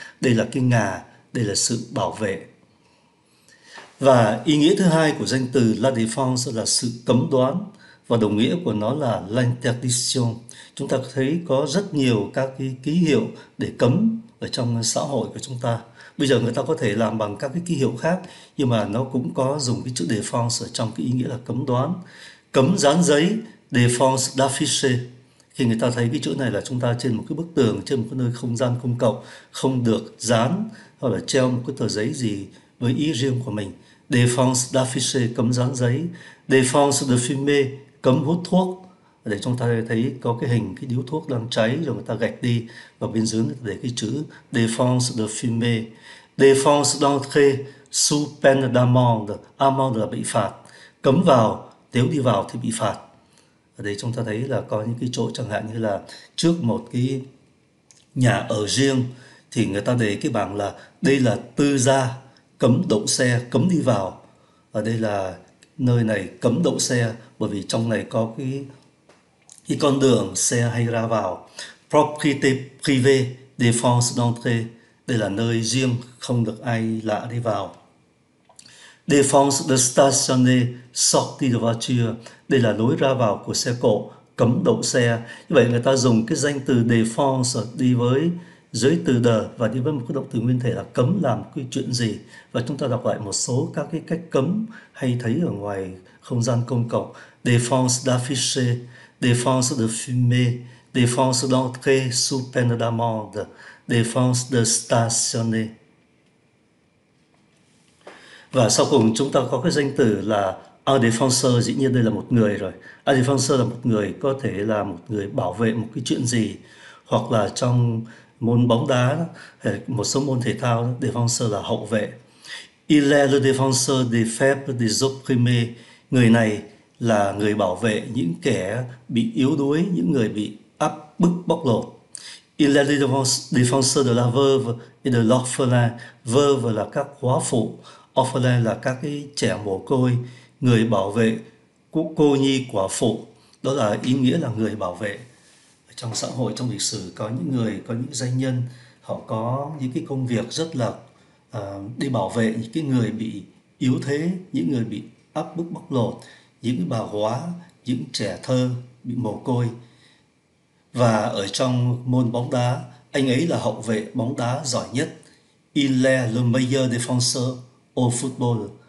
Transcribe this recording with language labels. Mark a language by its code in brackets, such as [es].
[vi] Đây là cái ngà, đây là sự bảo vệ. Và ý nghĩa thứ hai của danh từ la défense là sự cấm đoán, và đồng nghĩa của nó là l'interdiction. Chúng ta thấy có rất nhiều các cái ký hiệu để cấm ở trong xã hội của chúng ta. Bây giờ người ta có thể làm bằng các cái ký hiệu khác, nhưng mà nó cũng có dùng cái chữ défense ở trong cái ý nghĩa là cấm đoán. Cấm dán giấy, [fr] défense d'afficher. [vi] Khi người ta thấy cái chữ này là chúng ta trên một cái bức tường, trên một cái nơi không gian công cộng, không được dán hoặc là treo một cái tờ giấy gì với ý riêng của mình. [fr] Défense d'afficher, [vi] cấm dán giấy. [fr] Défense de fumer, [vi] cấm hút thuốc. Để chúng ta thấy có cái hình cái điếu thuốc đang cháy rồi người ta gạch đi, và bên dưới người ta để cái chữ [fr] défense de fumer, défense d'entrer sous peine d'amende. [vi] Amende là bị phạt, cấm vào nếu đi vào thì bị phạt. Ở đây chúng ta thấy là có những cái chỗ chẳng hạn như là trước một cái nhà ở riêng thì người ta để cái bảng là đây là tư gia, cấm đậu xe, cấm đi vào. Ở đây là nơi này cấm đậu xe bởi vì trong này có cái con đường xe hay ra vào. [fr] Propriété privée, défense d'entrée. [vi] Đây là nơi riêng, không được ai lạ đi vào. [fr] Défense de stationner, sortie de voiture. [vi] Đây là lối ra vào của xe cộ, cấm đậu xe. Như vậy người ta dùng cái danh từ défense đi với dưới từ de và đi với một cái động từ nguyên thể là cấm làm cái chuyện gì. Và chúng ta đọc lại một số các cái cách cấm hay thấy ở ngoài không gian công cộng. [fr] Défense d'afficher, défense de fumer, défense d'entrer sous peine d'amende, défense de stationner. [vi] Và sau cùng chúng ta có cái danh từ là un défenseur, dĩ nhiên đây là một người rồi. Un défenseur là một người, có thể là một người bảo vệ một cái chuyện gì, hoặc là trong môn bóng đá đó, một số môn thể thao đó, défenseur là hậu vệ. [fr] Il est le défenseur des faibles, des opprimés. [vi] Người này là người bảo vệ những kẻ bị yếu đuối, những người bị áp bức bóc lột. [fr] Il est le défenseur de la veuve et de l'orphelin. [vi] Veuve là các góa phụ, orphelin là các cái trẻ mồ côi, người bảo vệ cô nhi quả phụ, đó là ý nghĩa là người bảo vệ. Trong xã hội, trong lịch sử có những người, có những danh nhân họ có những cái công việc rất là đi bảo vệ những cái người bị yếu thế, những người bị áp bức bóc lột, những cái bà góa, những trẻ thơ bị mồ côi. Và ở trong môn bóng đá, anh ấy là hậu vệ bóng đá giỏi nhất. [fr] Il est le meilleur défenseur au football.